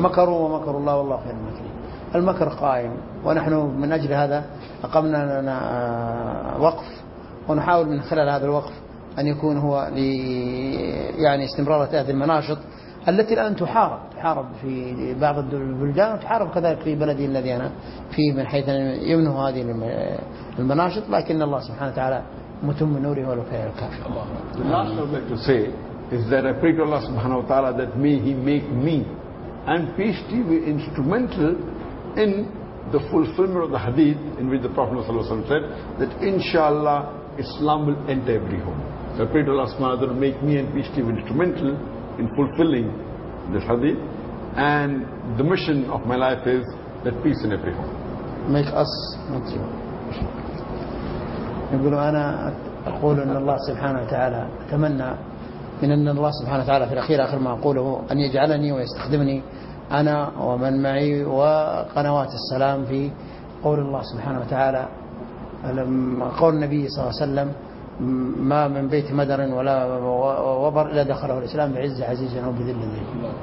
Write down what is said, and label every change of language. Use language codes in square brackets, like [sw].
[ar] مكروا ومكر الله والله خير. المكر قائم، ونحن من أجل هذا أقمنا لنا وقف، ونحاول من خلال هذا الوقف أن يكون هو يعني استمرار هذه المناشط التي الآن تحارب في بعض البلدان، وتحارب كذلك في بلدي الذي أنا فيه من حيث يمنع هذه المناشط، لكن الله سبحانه وتعالى متم نوره ولو كان الكافر. [en] The last I'd like to say is that I pray to Allah subhanahu wa ta'ala that may He make me and Peace TV instrumental in the fulfillment of the hadith in which the Prophet ﷺ said that inshallah Islam will enter every home. So I pray to Allah subhanahu wa ta'ala to make me and Peace TV instrumental in fulfilling this hadith. And the mission of my life is that peace in every home. Make us not you. [ar] يقول أنا أقول أن الله سبحانه وتعالى أتمنى من أن الله سبحانه وتعالى في الأخير آخر ما أقوله أن يجعلني ويستخدمني أنا ومن معي وقنوات السلام في قول الله سبحانه وتعالى لما قول النبي صلى الله عليه وسلم ما من بيت مدر ولا وبر إلا دخله الإسلام بعز عزيز أو بذل ذليل.